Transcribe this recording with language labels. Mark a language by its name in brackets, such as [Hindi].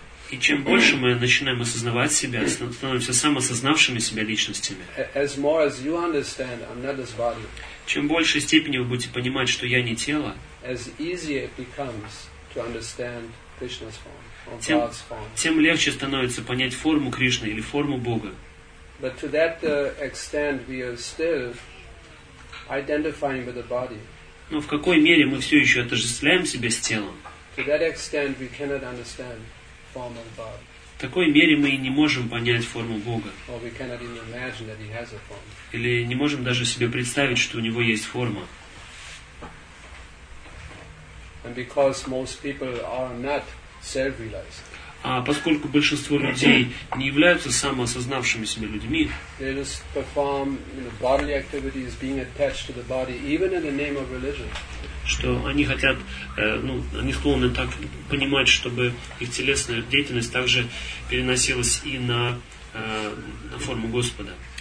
[Russian] и чем больше мы начинаем осознавать себя, становимся самосознавшими себя личностями, [English] as more as you understand, I'm not this body, [Russian] чем больше степени вы будете понимать, что я не тело, [English] as easier it becomes to understand Krishna's form, God's form. [Russian] Тем легче становится понять форму Кришны или форму Бога. [English] But to that extent we are still identifying with the body. [Russian] Но в какой мере мы все еще отождествляем себя с телом? [English] To that extent, we cannot understand form of God. [Russian] В такой мере мы и не можем понять форму Бога. [English] Or we cannot even imagine that he has a form. [Russian] Или не можем даже себе представить, что у него есть форма. [English] And because most people are not self-realized. [Russian] А поскольку большинство людей не являются самоосознавшими себя людьми, [English] they just perform, you know, bodily activities, being attached to the body, even in the name of religion. [Russian] Что они хотят, ну, они склонны так понимать, чтобы их телесная деятельность также переносилась и на форму Господа.